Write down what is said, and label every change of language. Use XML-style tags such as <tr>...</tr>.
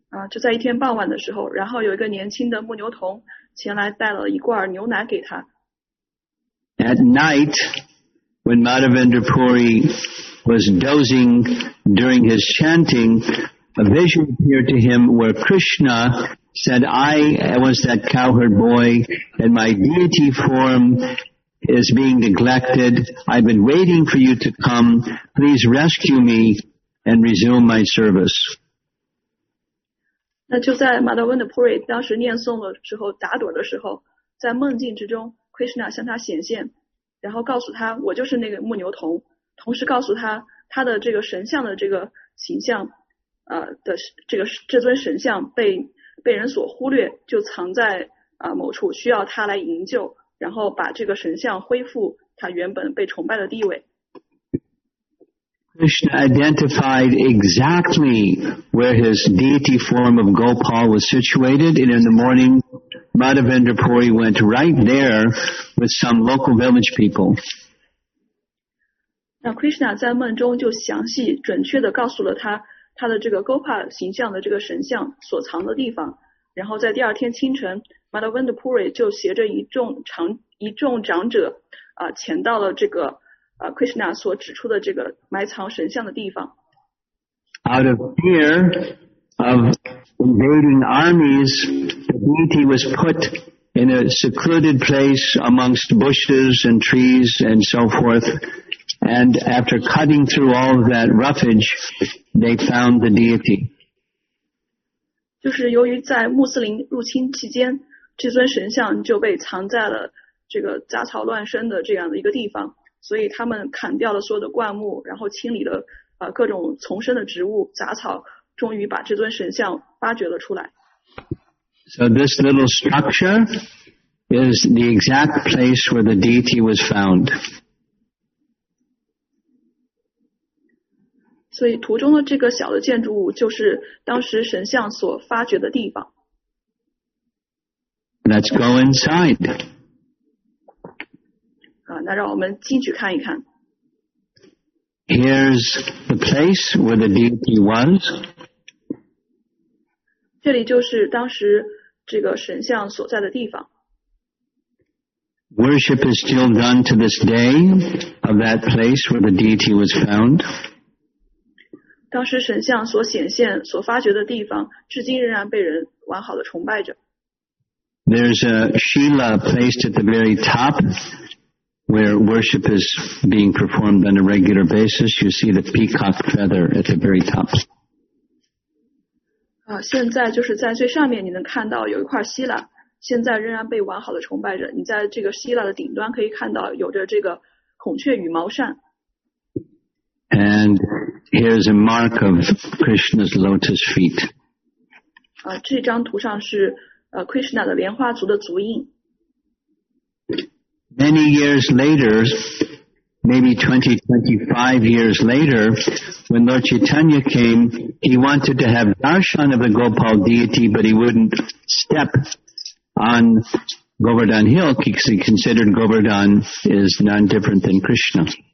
<zh>就在一天傍晚的时候，然后有一个年轻的牧牛童前来带了一罐牛奶给他。</zh> <en>At night, when Madhavendra Puri was dozing during his chanting, a vision appeared to him where Krishna said, I was that cowherd boy and my deity form is being neglected. I've been waiting for you to come. Please rescue me and resume my service.</en> <zh>那就在 Madhavendra Puri 当时念诵的时候打盹的时候，在梦境之中 Krishna 向他显现，然后告诉他我就是那个牧牛童，同时告诉他他的这个神像的这个形象的这个这尊神像被人所忽略，就藏在某处，需要他来营救，然后把这个神像恢复他原本被崇拜的地位。</zh> <en>Krishna identified exactly where his deity form of Gopal was situated, and in the morning, Madhavendra Puri went right there with some local village people. Now,</en> <zh>Krishna 在梦中就详细准确地告诉了他的这个 Gopal 形象的这个神像所藏的地方。然后在第二天清晨 ，Madhavendra Puri 就携着一众长者前到了这个Krishna 所指出的这个埋藏神像的地方。</zh> <en>Out of fear of invading armies, the deity was put in a secluded place amongst bushes and trees and so forth. And after cutting through all of that roughage, they found the deity.</en> <zh>就是由于在穆斯林入侵期间，这尊神像就被藏在了这个杂草乱生的这样的一个地方。所以他们砍掉了所有的灌木，然后清理了各种丛生的植物杂草，终于把这尊神像发掘了出来。</zh> <en>So this little structure is the exact place where the deity was found.</en> <zh>所以图中的这个小的建筑物就是当时神像所发掘的地方。</zh> <en>Let's go inside.</en> <zh>那让我们进去看一看。</zh> <en>Here's the place where the deity was.</en> <zh>这里就是当时这个神像所在的地方。</zh> <en>Worship is still done to this day of that place where the deity was found.</en> <zh>当时神像所显现、所发掘的地方，至今仍然被人完好的崇拜着。</zh> <en>There's a shila placed at the very top. Where worship is being performed on a regular basis, you see the peacock feather at the very top.</en> <zh>现在就是在最上面你能看到有一块希腊，现在仍然被完好的崇拜着。你在这个希腊的顶端可以看到有着这个孔雀羽毛扇。</zh> <en>And here's a mark of Krishna's lotus feet.</en> <zh>这张图上是Krishna 的莲花足的足印。</zh> <en>Many years later, maybe 20, 25 years later, when Lord Chaitanya came, he wanted to have darshan of the Gopal deity, but he wouldn't step on Govardhan Hill because he considered Govardhan is none different than Krishna.</en>